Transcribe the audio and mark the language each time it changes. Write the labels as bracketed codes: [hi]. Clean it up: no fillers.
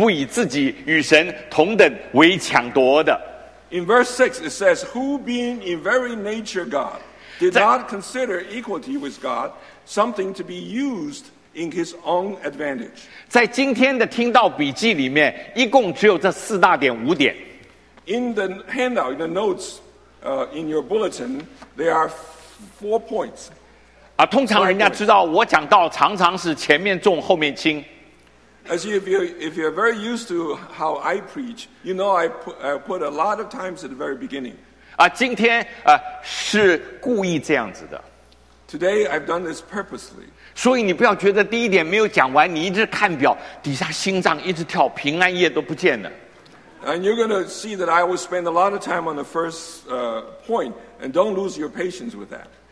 [zh] 刚刚我们看见第六节说到他本有神的形象，不以自己与神同等为抢夺的。 [en] In verse 6 it says, who being in very nature God, did not consider equality with God something to be used in his own advantage. [zh] 在今天的听到笔记里面，一共只有这四大点五点。 [en] In the handout, in the notes, in your bulletin, there are four points. [zh] 通常人家知道我讲道常常是前面重后面轻。 [en] As if you're very used to how I preach, you know I put a lot of times at the very beginning. [zh] 今天是故意这样子的。 [en] Today I've done this purposely. [zh] 所以你不要觉得第一点没有讲完，你一直看表，底下心脏一直跳，平安夜都不见了。 [en] And you're going to see that I will spend a lot of time on the first point, and don't lose your patience with that.